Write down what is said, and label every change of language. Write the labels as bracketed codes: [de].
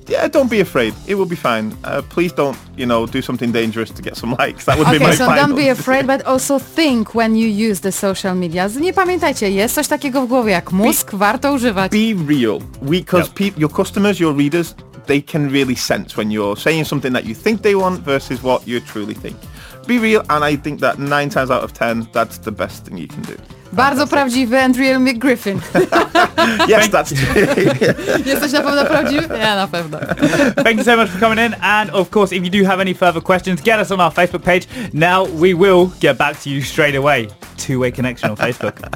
[en] Don't be afraid. It will be fine. Please don't, you know, do something dangerous to get some likes. That would be my final. Okay, so don't be afraid, but also think when you use the social media. [pl] Nie pamiętajcie, jest coś takiego w głowie jak mózg, warto używać. [en] Be real. Your customers, your readers, they can really sense when you're saying something that you think they want versus what you truly think. Be real, and I think that 9 times out of 10, that's the best thing you can do. [pl] Bardzo prawdziwy [en] and real [pl] Mick Griffin. [en] Yes, that's true. [pl] Jesteś na pewno prawdziwy? Ja na pewno. [en] Thank you so much for coming in. And of course, if you do have any further questions, get us on our Facebook page. Now we will get back to you straight away. Two-way connection on Facebook.